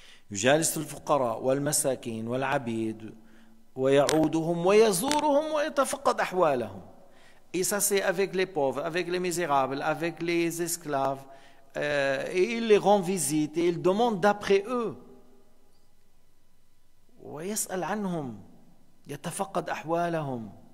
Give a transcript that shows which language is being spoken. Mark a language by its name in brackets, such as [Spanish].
[Arabic] يجالس الفقراء والمساكين والعبيد ويعودهم ويزورهم ويتفقد أحوالهم. [French] Et ça c'est avec les pauvres, avec les misérables, avec les esclaves, et il les rend visite et il demande d'après eux. [Arabic] ويسأل عنهم يتفقد أحوالهم.